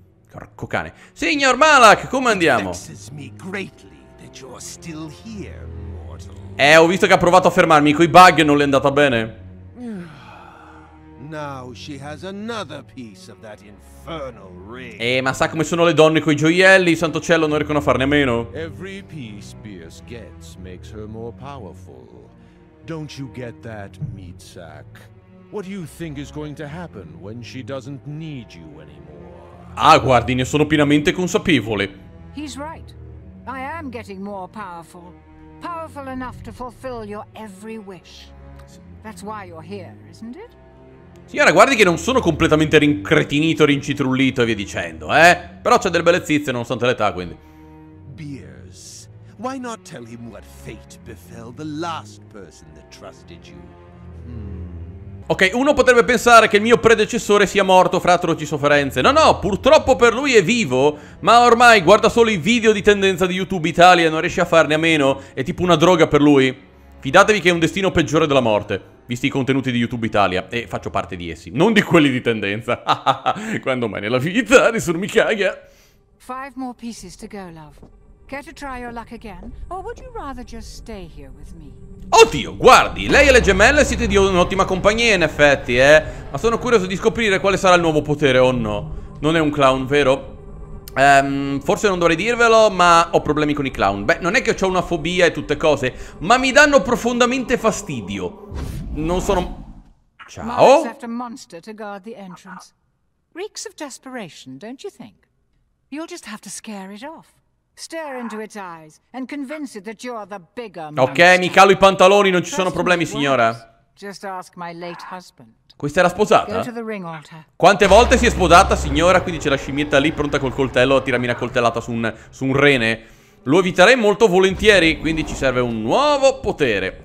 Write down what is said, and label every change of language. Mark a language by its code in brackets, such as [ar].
[it] Porco cane. Signor Malak, come andiamo? Ho visto che ha provato a fermarmi. Coi bug non le è andata bene. Ma sa come sono le donne coi gioielli? Santo cielo, non riescono a farne a meno. [en] Every piece Pierce gets makes her more powerful. Don't you get that, Meatsack? What do you think is going to happen when she doesn't need you anymore? [it] Ah, guardi, ne sono pienamente consapevole. [en] He's right. I am getting more powerful. Powerful enough to fulfill your every wish. That's why you're here, isn't it? [it] Signora, guardi che non sono completamente rincretinito, rincitrullito e via dicendo, eh? Però c'è delle belle zizze nonostante l'età, quindi. [en] Beers, why not tell him what fate befell the last person that trusted you? [it] Ok, uno potrebbe pensare che il mio predecessore sia morto fra atroci sofferenze. No, no, purtroppo per lui è vivo, ma ormai guarda solo i video di tendenza di YouTube Italia e non riesce a farne a meno. È tipo una droga per lui. Fidatevi che è un destino peggiore della morte, visti i contenuti di YouTube Italia, e faccio parte di essi. Non di quelli di tendenza. Quando mai nella vita, nessuno mi caga. [en] 5 more pieces to go, love. Care to try your luck again? Or would you rather just stay here with me? [it] Oddio, guardi, lei e le gemelle siete di un'ottima compagnia in effetti, eh. Ma sono curioso di scoprire quale sarà il nuovo potere o no. Non è un clown, vero? Forse non dovrei dirvelo, ma ho problemi con i clown. Beh, non è che ho una fobia e tutte cose, ma mi danno profondamente fastidio. Non sono... Ciao? [en] Mark left a monster to guard the entrance. Reeks of desperation, don't you think? You'll just have to scare it off. Stare into its eyes and convince it that you are the bigger monster. [it] Ok, mi calo i pantaloni, non ci sono problemi, signora. [en] Just ask my late husband. [it] Questa era sposata? Quante volte si è sposata, signora? Quindi c'è la scimmietta lì pronta col coltello a tirarmi una coltellata su un rene. Lo eviterei molto volentieri, quindi ci serve un nuovo potere.